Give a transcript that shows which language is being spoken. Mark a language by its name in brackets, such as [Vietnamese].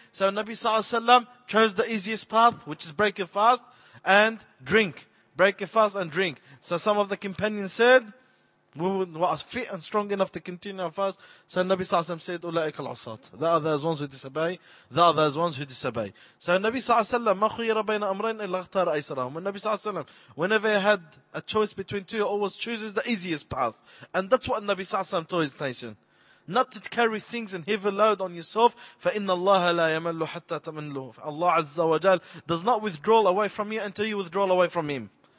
[English] So Nabi Sallallahu Alaihi Wasallam chose the easiest path, which is break your fast and drink. Break your fast and drink. So some of the companions said, we were fit and strong enough to continue our fast. So Nabi Sallallahu Alaihi Wasallam said, [Arabic] Ula'ika al-usat. [English] That are those ones who disobey. That are those ones who disobey. [Arabic] So Nabi Sallallahu Alaihi Wasallam, ما خير بين أمرين إلا اختار أيسرهم. [English] And Nabi Sallallahu Alaihi Wasallam, whenever he had a choice between two, he always chooses the easiest path. And that's what Nabi Sallallahu Alaihi Wasallam told his nation. Not to carry things and heavy load on yourself. [Arabic] فَإِنَّ اللَّهَ لَا يَمَلُّ حَتَّى تَمَلُّهُ. [English] Allah Azza wa Jal does not withdraw away from you until you withdraw away from Him.